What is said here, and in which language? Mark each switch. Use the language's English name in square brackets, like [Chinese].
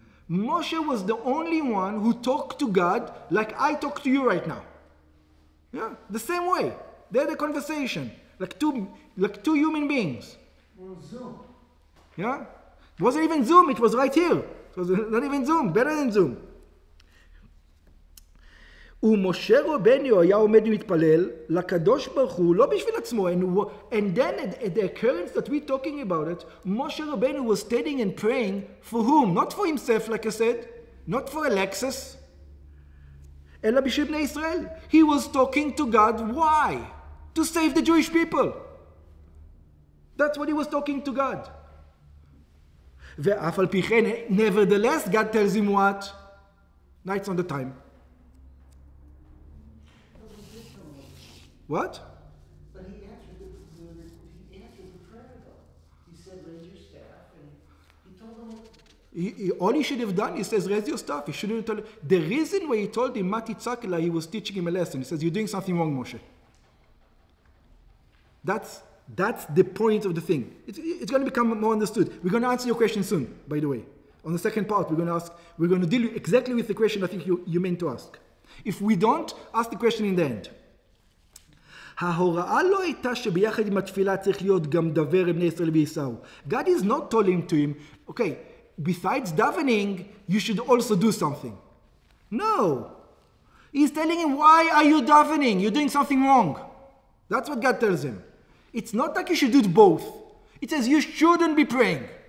[English] Moshe was the only one who talked to God like I talk to you right now. Yeah, the same way. They had a conversation, like two human beings. Zoom. Yeah? It wasn't even Zoom, it was right here. It was not even Zoom, better than Zoom. [Hebrew] ומשה רבנו היה עומד ומתפלל לקדוש ברוך הוא, לא בשביל עצמו. [English] And then at the occurrence that we're talking about it, Moshe Rabbeinu was standing and praying for whom? Not for himself, like I said, not for Alexis, [Hebrew] אלא בשביל בני ישראל. [English] He was talking to God, why? To save the Jewish people. That's what he was talking to God. [Hebrew] ואף על פי כן, [English] nevertheless, God tells him what? Now it's on the time. What? But he answered the prayer, though. He said, raise your staff. And he told him what? All he should have done, he says, raise your staff. He shouldn't have told him. The reason why he told him, [Hebrew] Mati Tzakela, [English] he was teaching him a lesson. He says, you're doing something wrong, Moshe. That's the point of the thing. It's going to become more understood. We're going to answer your question soon, by the way. On the second part, we're going to deal exactly with the question I think you meant to ask. If we don't, ask the question in the end. [Hebrew] ההוראה לא הייתה שביחד עם התפילה צריך להיות גם דבר בני ישראל וישאו. [English] God is not telling to him, okay, besides davening, you should also do something. No. He's telling him, why are you davening? You're doing something wrong. That's what God tells him. It's not like you should do it both. It says you shouldn't be praying.